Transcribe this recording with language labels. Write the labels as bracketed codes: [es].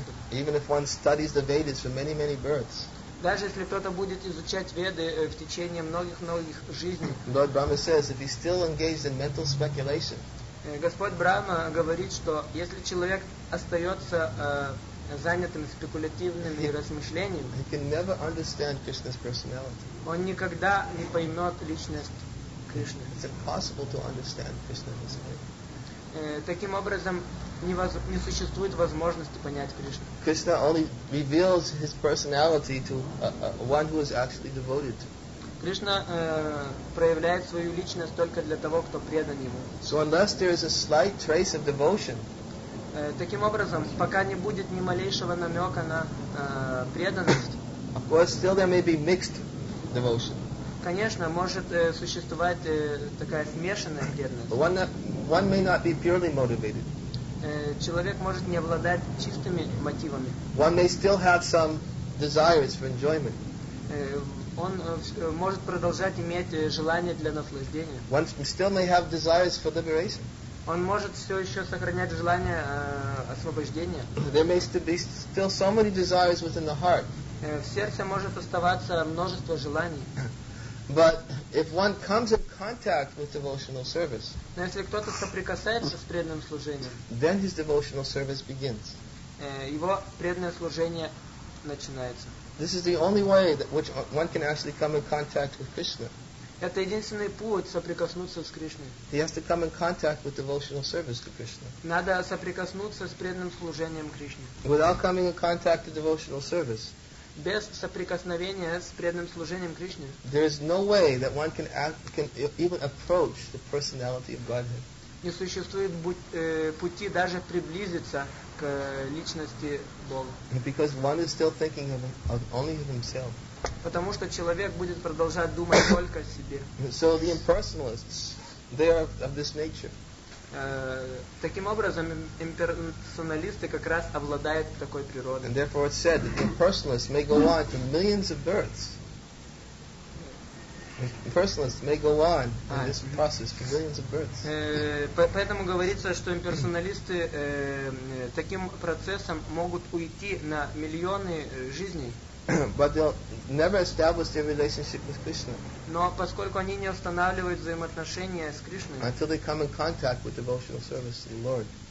[en] Even if one studies the Vedas for many, many births. [ru] Даже если кто-то будет изучать Веды в течение многих-многих жизней. [en] Lord Brahma says, if he's still engaged in mental speculation. [ru] Господь Брахма говорит, что если человек остается занятым спекулятивными размышлениями, [en] he can never understand Krishna's personality. [ru] Он никогда не поймет личность Кришны. [en] It's impossible to understand Krishna's personality. [ru] Таким образом, не существует возможности понять Кришну. [en] Krishna only reveals his personality to one who is actually devoted. [ru] Кришна проявляет свою личность только для того, кто предан ему. [en] So unless there is a slight trace of devotion, [ru] таким образом, пока не будет ни малейшего намека на преданность, [en] of course, still there may be mixed devotion. [ru] Конечно, может существовать такая смешанная преданность. [en] One may not be purely motivated. [ru] Человек может не обладать чистыми мотивами. [en] One may still have some desires for enjoyment. [ru] Он может продолжать иметь желание для наслаждения. [en] One still may have desires for liberation. [ru] Он может все еще сохранять желание освобождения. [en] There may still be still so many desires within the heart. [ru] В сердце может оставаться множество желаний. [en] But if one comes in contact with devotional service, [ru] но если кто-то соприкасается с преданным служением, [en] then his devotional service begins. [ru] Его преданное служение начинается. [en] This is the only way that which one can actually come in contact with Krishna. [ru] Это единственный путь соприкоснуться с Кришной. [en] He has to come in contact with devotional service to Krishna. [ru] Надо соприкоснуться с преданным служением Кришне. [en] Without coming in contact with devotional service, [ru] без соприкосновения с преданным служением Кришне, [en] there is no way that one can act, can even approach the personality of Godhead. [ru] Не существует пути даже приблизиться к личности Бога. [en] Because one is still thinking of, only of himself. [ru] Потому что человек будет продолжать думать только о себе. [en] So the impersonalists, they are of this nature. [ru] Таким образом, имперсоналисты как раз обладают такой природой. [en] And therefore it's said that the impersonalists may go on to millions of births. Impersonalists may go on in this process for millions of births. [ru] Поэтому говорится, что имперсоналисты таким процессом могут уйти на миллионы жизней. [en] But they'll never establish their relationship with Krishna. [ru] Но поскольку они не устанавливают взаимоотношения с Кришной, [en] until they come in contact with devotional service to the Lord.